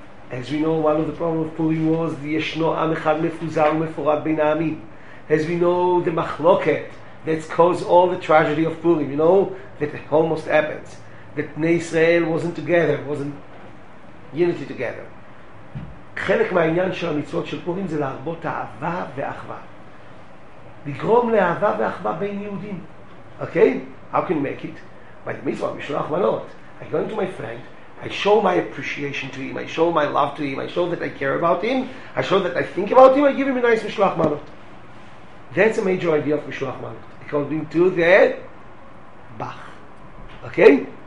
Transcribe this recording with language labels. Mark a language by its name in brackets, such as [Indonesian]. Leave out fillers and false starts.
[English] As we know, one of the problems of Purim was [Hebrew] ישנו עם אחד מפוזר ומפורד בין העמים. [English] As we know, the מחלוקת that's caused all the tragedy of Purim, you know, that it almost happens. That בני ישראל wasn't together, wasn't unity together. [Hebrew] חלק מהעניין של המצוות של פורים זה להרבות אהבה ואחווה. לגרום לאהבה ואחווה בין יהודים. [English] Okay? How can you make it? By the mitzvah, Mishloach Manot. I go into my friend, I show my appreciation to him, I show my love to him, I show that I care about him, I show that I think about him, I give him a nice Mishloach Manot. That's a major idea of Mishloach Manot, according to the Bach. Okay?